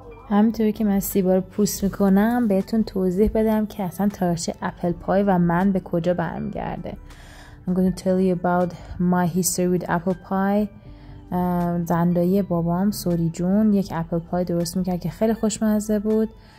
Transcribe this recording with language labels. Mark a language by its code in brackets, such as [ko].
[fa] همینطوری که من سیبا رو پوست میکنم بهتون توضیح بدم که اصلا تاریخ اپل پای و من به کجا برمیگرده. [en] I'm going to tell you about my history with apple pie. [fa] زندایی بابام سوری جون یک اپل پای درست میکرد که خیلی خوشمزه بود.